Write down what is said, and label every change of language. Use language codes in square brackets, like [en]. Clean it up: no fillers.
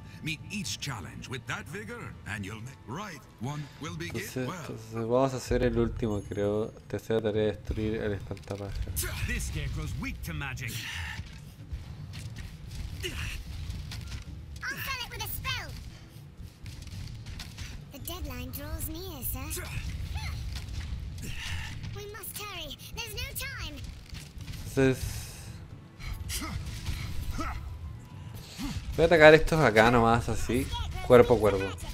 [en] Meet each challenge with that vigor and you'll make right one will begin. [es] Entonces, vamos a hacer el último, creo. Tercera tarea, destruir el espantapájaro. [en] This scarecrow's weak to magic. I'll fell it with a spell. The deadline draws near, sir. We must hurry. There's no time. [es] Entonces, voy a atacar estos acá nomás, así, cuerpo a cuerpo.